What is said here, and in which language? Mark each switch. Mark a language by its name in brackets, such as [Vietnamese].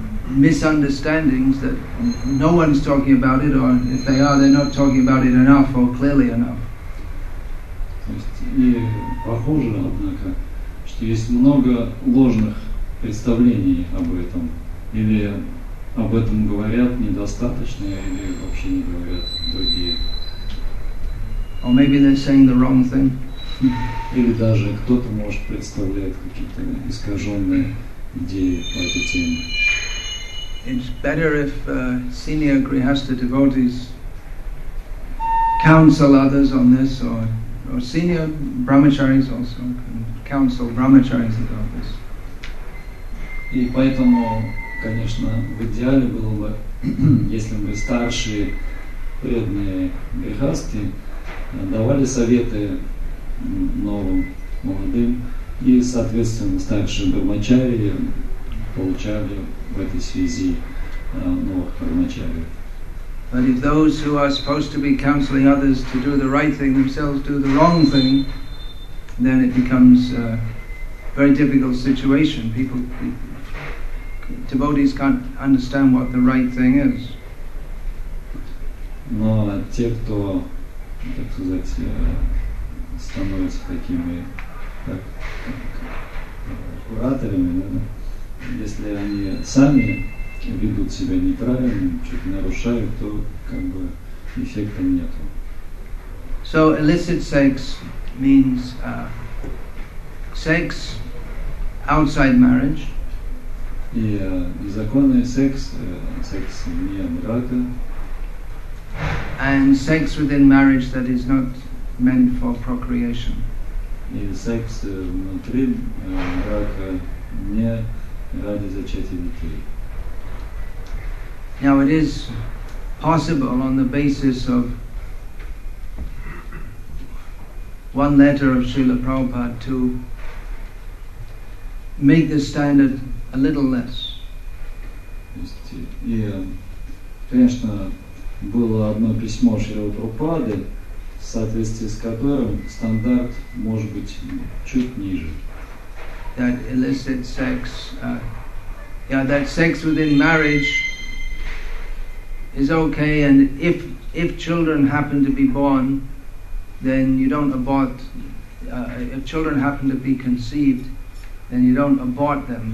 [English] misunderstandings that no one's talking about it, or if they are, they're not talking about it enough or clearly enough. [Russian] И похоже, однако, что есть много ложных представлений об этом, или об этом говорят недостаточно, или вообще не говорят другие. [English] Or maybe they're saying the wrong thing. [Russian] Или даже кто-то может представлять какие-то искаженные идеи по этой теме. [English] It's better if senior grihastha devotees counsel others on this, or senior brahmacharis also can counsel brahmacharis about this. [Russian] И поэтому, конечно, в идеале было бы, если бы старшие преданные грихасты давали советы новым, молодым, и, соответственно, старшие брахмачари получали в этой связи новых брахмачари. [English] But if those who are supposed to be counseling others to do the right thing themselves do the wrong thing, then it becomes a very difficult situation. Devotees can't understand what the right thing is. [Russian] Но те, кто, так сказать, становятся такими кураторами, если они сами ведут себя неправильно, что-то нарушают, то как бы эффекта нету. [English] So illicit sex means sex outside marriage. [Russian] И незаконный секс, секс вне брака. [English] And sex within marriage that is not meant for procreation. [Russian] И секс внутри брака не ради зачатия детей. [English] Now it is possible on the basis of one letter of Srila Prabhupada to make the standard a little less. [Russian] И, конечно, было одно письмо Шрилы Прабхупады, в соответствии с которым стандарт может быть чуть ниже. [English] That illicit sex, that sex within marriage is okay, and if children happen to be born, then you don't abort. If children happen to be conceived, then you don't abort them.